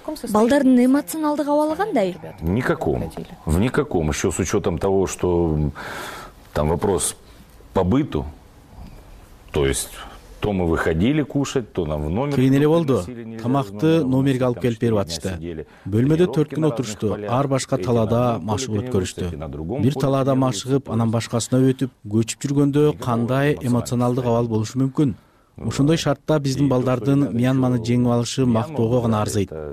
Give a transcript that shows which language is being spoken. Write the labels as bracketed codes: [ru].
[ky] Балдардын эмоционалдык абалы кандай? [ru] Никаком. В никаком. Еще с учетом того, что там вопрос по быту. То есть, то мы выходили кушать, то нам в номер... [ky] Кыйын эле болду. Тамакты номерге алып келип берип атышты. Бөлмөдө 4 күн отурушту. Ар башка талаада машык өткөрүштү. Бир талаада машыгып, анан башкасына өтүп, көчүп жүргөндө кандай эмоционалдык абал болушу мүмкүн? Ушундай шартта биздин балдардын Мьянманы жеңип алышы мактоого гана арзыйт.